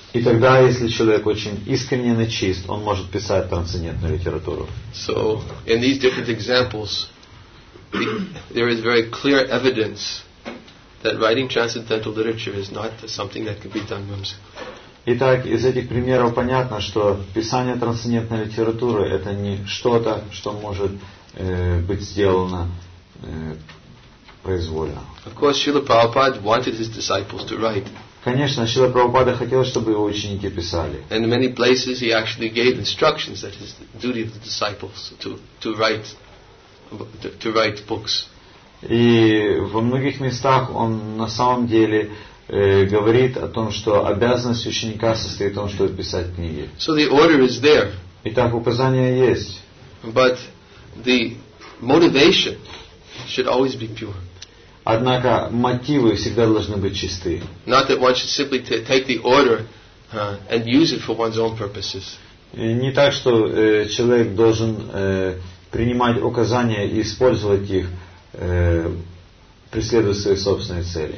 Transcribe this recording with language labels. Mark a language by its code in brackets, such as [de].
[ru] И тогда, если человек очень искренен и чист, он может писать трансцендентную литературу. [en] So, in these different examples, there is very clear evidence that writing transcendental literature is not something that can be done whimsically. [ru] Итак, из этих примеров понятно, что писание трансцендентной литературы — это не что-то, что может быть сделано произвольно. [en] Of course, Srila Prabhupada wanted his disciples to write. [ru] Конечно, Шрила Прабхупада хотел, чтобы его ученики писали. [en] And in many places he actually gave instructions that it's the duty of the disciples to write books. [ru] И во многих местах он на самом деле говорит о том, что обязанность ученика состоит в том, чтобы писать книги. [en] So the order is there. [ru] Итак, указание есть. [en] But the motivation should always be pure. [ru] Однако мотивы всегда должны быть чисты. [en] Not that one should simply take the order and use it for one's own purposes. [ru] Не так, что человек должен принимать указания и использовать их преследуя свои собственные цели.